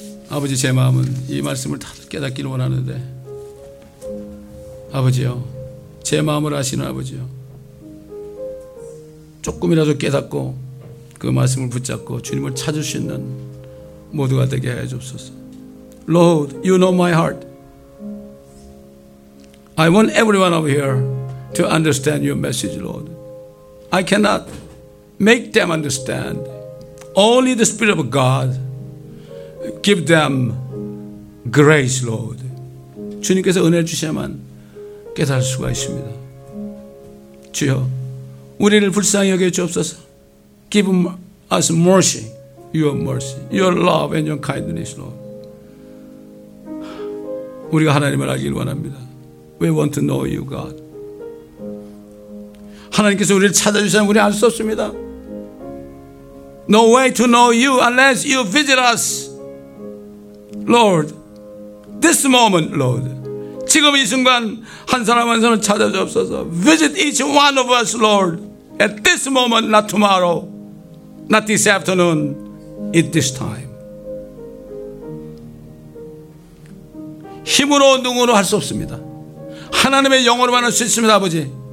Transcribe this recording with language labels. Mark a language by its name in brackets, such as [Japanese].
[Korean] 아버지 제 마음은 이 말씀을 다 깨닫기를 원하는데 아버지요, 제 마음을 아시는 아버지요, 조금이라도 깨닫고 그 말씀을 붙잡고 주님을 찾을 수 있는 모두가 되게 해주옵소서. [English] Lord, you know my heart. I want everyone over here to understand your message, Lord. I cannot make them understand. Only the Spirit of God give them grace, Lord. [Korean] 주님께서 은혜 주셔야만 깨달을 수가 있습니다. 주여, 우리를 불쌍히 여겨 주옵소서. [English] Give us mercy, your mercy, your love and your kindness, Lord. [Korean] 우리가 하나님을 알기를 원합니다. [English] We want to know you, God. [Korean] 하나님께서 우리를 찾아주시면 우리 알 수 없습니다. [English] No way to know you unless you visit us, Lord. This moment, Lord. [Korean] 지금 이 순간 한 사람 한 사람을 찾아주옵소서. [English] Visit each one of us, Lord. At this moment, not tomorrow. Not this afternoon. At this time. [Korean] 힘으로 능으로 할 수 없습니다. 하나님의 영으로만 할 수 있습니다, 아버지.